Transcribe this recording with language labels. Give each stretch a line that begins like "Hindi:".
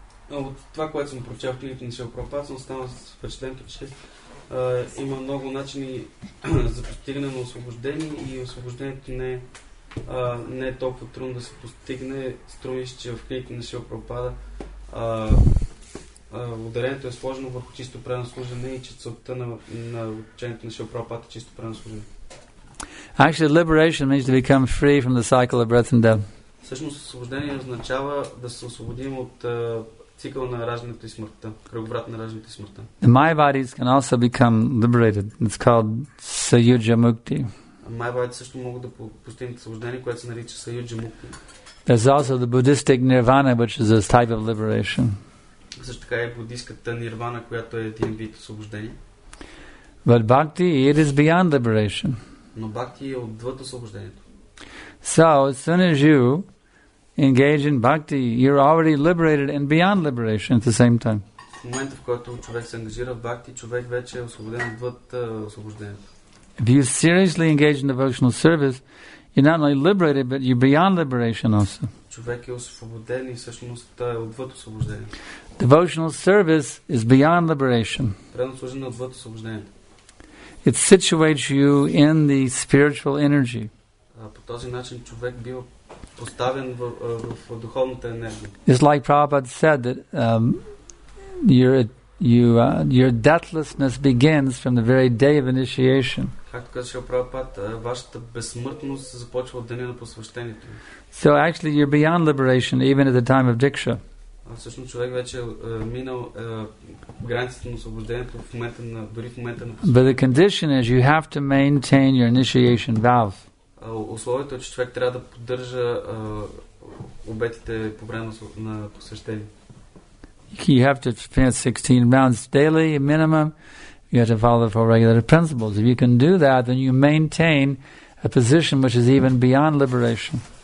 Bulgarian: От това, което съм прочел в книгите на Шрила Прабхупада, съм останал с впечатлението, че има много начини за постигане на освобождение и освобождението не е толкова трудно да се постигне. Струва се, че в книгите на Шрила Прабхупада ударението е сложено върху чисто правилно служене и че целта на учението на Шрила Прабхупада е чисто правилно служене.
English: Actually, liberation means to become free from the cycle of birth and death.
Bulgarian: Всъщност, освобождение означава да се освободим от цикъла на раждането и смъртта, кръговрат на раждането и смъртта.
English: The Mayavadis can also become liberated. It's called Sayujya Mukti.
Bulgarian: Mayavadis също могат да постигнат освобождение, което се нарича Sayujya Mukti.
English: There's also the Buddhistic Nirvana, which is a type of liberation.
Bulgarian: Също така е буддистката нирвана, която е един вид освобождение.
English: But bhakti, it is beyond liberation.
Bulgarian: Но бхакти е отвъд освобождението.
English: So, as soon as you engage in bhakti, you're already liberated and beyond liberation at the same time.
Bulgarian: В момента, в който човек се ангажира в бхакти, човек вече е освободен отвъд освобождението.
English: If you seriously engage in devotional service, you're not only liberated, but you're beyond liberation also.
Bulgarian: Човек е освободен и всъщност е отвъд освобождението.
English: Devotional service is beyond liberation.
Bulgarian: Предно служене е отвъд освобождението.
English: It situates you in the spiritual energy.
Bulgarian: По този начин човек бил поставен в духовната енергия.
English: It's like Prabhupada said that your deathlessness begins from the very day of initiation.
Bulgarian: Както казва Прабхупада, вашата безсмъртност започва от деня на посвещението.
English: So actually you're beyond liberation even at the time of Diksha.
Bulgarian: Всъщност човек вече минал границата на освобождението в момента на дори в момента на
English: But the condition is you have to maintain your initiation vows.
Bulgarian: Условието е, че човек трябва да поддържа обетите по време на посвещение.
English: You have to spend 16 rounds daily minimum. You have to follow the four regulative principles. If you can do that, then you maintain a position which is even beyond liberation.